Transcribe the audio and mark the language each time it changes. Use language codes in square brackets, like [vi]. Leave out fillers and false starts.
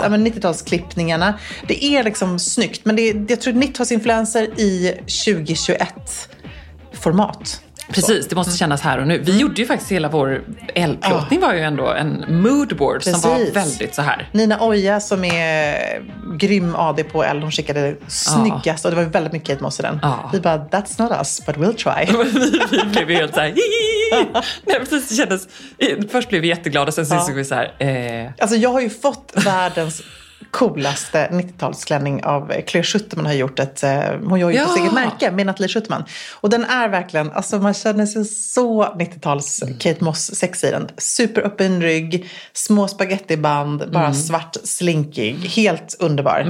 [sv] Ja, men 90-talsklippningarna. Det är liksom snyggt, men det, jag tror 90-talsinfluencer i 2021-format. Precis, så. Det måste kännas här och nu. Vi gjorde ju faktiskt hela vår L-plåtning var ju ändå en moodboard som var väldigt så här. Nina Oja som är grym AD på L, hon skickade snyggast och det var väldigt mycket hitmoss i den. Vi bara, [en] that's not us, but we'll try. [sv] Vi blev ju helt så här, nej, precis, det kändes, först blev vi jätteglada, sen så såg vi så här. Alltså jag har ju fått världens coolaste 90-talsklänning av Claire Schutterman, har gjort ett hon gör ju på sitt märke med Natalie Schutterman, och den är verkligen, alltså man känner sig så 90-tals Kate Moss sex i den, superöppen rygg, små spaghettiband, bara svart slinkig, helt underbar.